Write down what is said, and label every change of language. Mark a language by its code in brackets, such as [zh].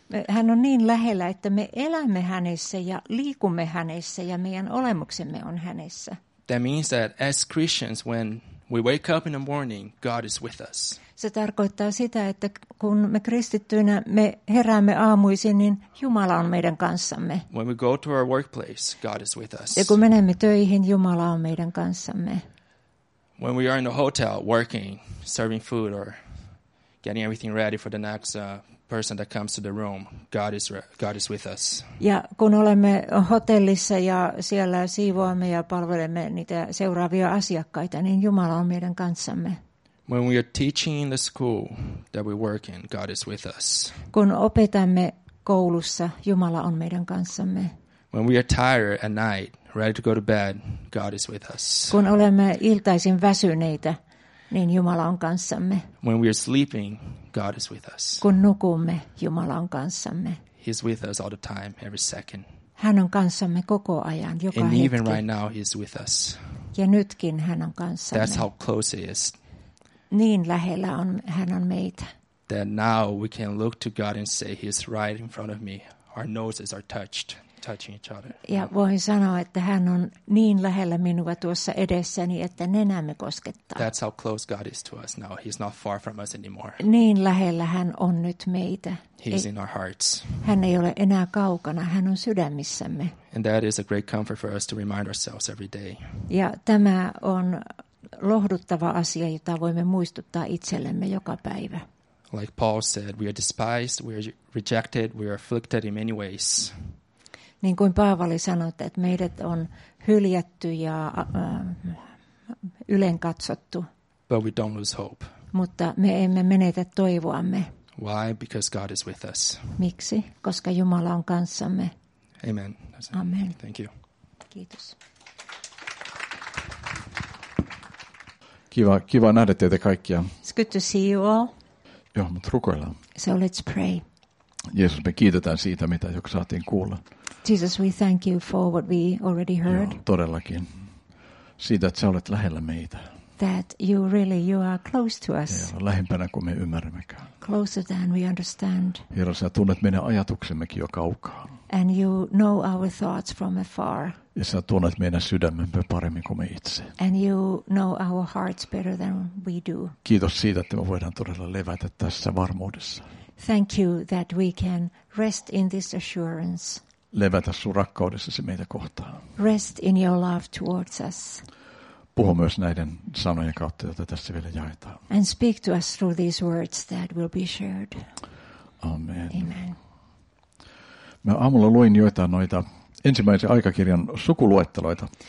[fi] Hän on niin lähellä, että me elämme hänessä ja liikumme hänessä ja meidän olemuksemme on hänessä. [en] That means that as Christians, when we wake up in the morning, God is with us. [fi] Se tarkoittaa sitä, että kun me kristittyinä me heräämme aamuisin, niin Jumala on meidän kanssamme. [en] When we go to our workplace, God is with us. [fi] Ja kun menemme töihin, Jumala on meidän kanssamme. [en] When we are in the hotel working, serving food or getting everything ready for the next person that comes to the room, God is with us. [fi] Ja kun olemme hotellissa ja siellä siivoamme ja palvelemme niitä seuraavia asiakkaita, niin Jumala on meidän kanssamme. [en] When we are teaching in the school that we work in, God is with us. [fi] Kun opetamme koulussa, Jumala on meidän kanssamme. [en] When we are tired at night, ready to go to bed, God is with us. [fi] Kun olemme iltaisin väsyneitä, niin Jumala on kanssamme. [en] When we are sleeping, God is with us. [fi] Kun nukumme, Jumala on kanssamme. [en] He is with us all the time, every second. [fi] Hän on kanssamme koko ajan, joka [en] and [fi] hetki. [en] Even right now, he is with us. [fi] Ja nytkin hän on kanssamme. [en] That's how close he is. [fi] Niin lähellä on hän on meitä. [en] That now we can look to God and say he is right in front of me. Our noses are touching each other. [fi] Ja voin sanoa, että hän on niin lähellä minua tuossa edessäni, että nenämme koskettaa. [en] That's how close God is to us now. He's not far from us anymore. [fi] Niin lähellä hän on nyt meitä. [en] He's in our hearts. [fi] Hän ei ole enää kaukana, hän on sydämissämme. [en] And that is a great comfort for us to remind ourselves every day. [fi] Ja tämä on lohduttava asia, jota voimme muistuttaa itsellemme joka päivä. [en] Like Paul said, we are despised, we are rejected, we are afflicted in many ways. [fi] Niin kuin Paavali sanoi, että meidät on hyljätty ja ylenkatsottu. [en] But we don't lose hope. [fi] Mutta me emme menetä toivoamme. [en] Why? Because God is with us. [fi] Miksi? Koska Jumala on kanssamme. [en] Amen. [fi] Amen. [en] Thank you. [fi] Kiitos. Kiva nähdä teitä kaikkia. [en] It's good to see you all. [fi] Joo, mutta rukoillaan. [en] So let's pray. [fi] Jeesus, me kiitetään siitä, mitä jo saatiin kuulla. [en] Jesus, we thank you for what we already heard. [fi] Joo, todellakin. Siitä, että sä olet lähellä meitä. [en] That you really, you are close to us. [fi] Joo, lähempänä kuin me ymmärrämmekään. [en] Closer than we understand. [fi] Herra, sä tunnet meidän ajatuksemmekin jo kaukaa. [en] And you know our thoughts from afar. [fi] Ja sä tunnet meidän sydämemme paremmin kuin me itse. [en] And you know our hearts better than we do. [fi] Kiitos siitä, että me voidaan todella levätä tässä varmuudessa. [en] Thank you that we can rest in this assurance. [fi] Levätä sun rakkaudessasi meitä kohtaan. [en] Rest in your love towards us. [fi] Puhu myös näiden sanojen kautta, joita tässä vielä jaetaan. [en] And speak to us through these words that will be shared. [fi] Amen. [en] Amen. [fi] Mä aamulla luin joitain noita ensimmäisen aikakirjan sukuluetteloita.